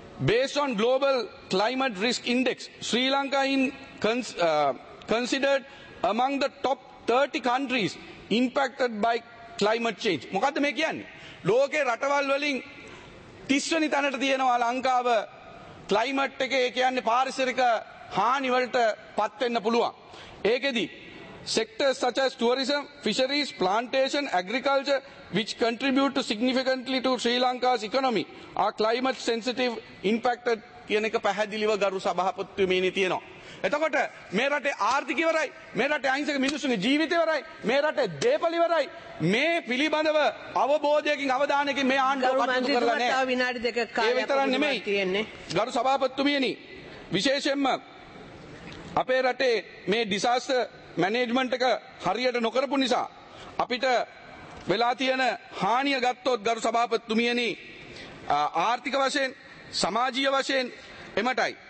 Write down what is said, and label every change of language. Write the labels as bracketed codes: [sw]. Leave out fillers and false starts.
[en] Based on global climate risk index, Sri Lanka is considered among the top 30 countries impacted by climate change. [si] මොකද්ද මේ කියන්නේ? ලෝකේ රටවල් වලින් 30 වෙනි තැනට තියෙනවා ලංකාව climate එකේ. ඒ කියන්නේ පාරිසරික හානි වලට පත් වෙන්න පුළුවන්. ඒකෙදි [en] sectors such as tourism, fisheries, plantation, agriculture, which contribute significantly to Sri Lanka's economy, are climate sensitive, impacted [si] කියන එක පැහැදිලිව ගරු සභාපතිතුමනි තියෙනවා. එතකොට මේ රටේ ආර්ථික ඉවරයි, මේ රටේ අහිංසක මිනිසුන්ගේ ජීවිත ඉවරයි, මේ රටේ දේපළ ඉවරයි. මේ පිළිබඳව අවබෝධයකින් අවධානයකින් මේ ආණ්ඩුව කටයුතු කරලා නැහැ. ඒ විතරක් නෙමෙයි ගරු සභාපතිතුමනි, විශේෂයෙන්ම අපේ රටේ මේ disaster මැනේජ්මන්ට් එක හරියට නොකරපු නිසා අපිට වෙලා තියෙන හානිය ගත්තොත් ගරු සභාපතිතුමියනි, ආර්ථික වශයෙන්, සමාජීය වශයෙන් එමටයි.